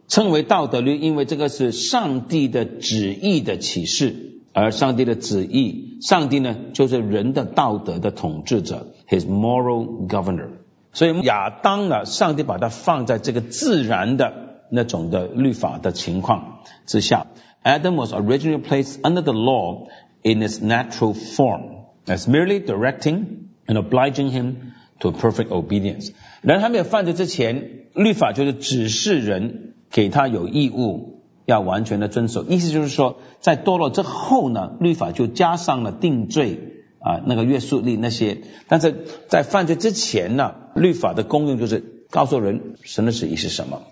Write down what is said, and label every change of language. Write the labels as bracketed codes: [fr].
[zh] 称为道德律，因为这个是上帝的旨意的启示。而上帝的旨意，上帝呢就是人的道德的统治者， [en] His moral governor。 [zh] 所以亚当呢，上帝把他放在这个自然的那种的律法的情况之下。 [en] Adam was originally placed under the law in its natural form as merely directing and obliging him to perfect obedience。 [zh] 人还没有犯罪之前，律法就是指示人，给他有义务要完全的遵守。意思就是说，在堕落之后呢，律法就加上了定罪啊，那个约束力那些。但是在犯罪之前呢，律法的功用就是告诉人神的旨意是什么。